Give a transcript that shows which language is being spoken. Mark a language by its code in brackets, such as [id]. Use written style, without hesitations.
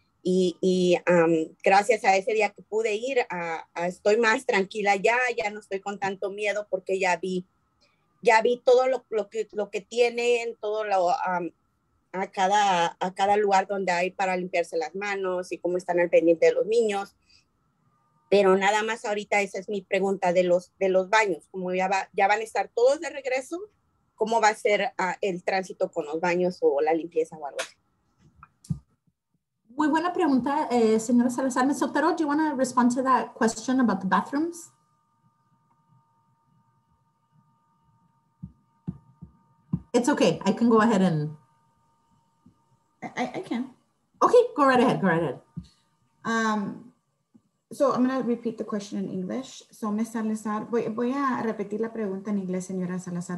[es] Y gracias a ese día que pude ir, estoy más tranquila ya no estoy con tanto miedo porque ya vi todo lo que tienen, todo lo a cada lugar donde hay para limpiarse las manos y cómo están al pendiente de los niños. Pero nada más ahorita esa es mi pregunta de los baños, como ya van a estar todos de regreso, ¿cómo va a ser el tránsito con los baños o la limpieza o algo así? Muy buena pregunta, señora Salazar. Ms. [en] Otero, do you want to respond to that question about the bathrooms? It's okay. I can go ahead and... I can. Okay, go right ahead. Go right ahead. So I'm going to repeat the question in English. So Ms. [es] Salazar, voy a repetir la pregunta en inglés, señora Salazar.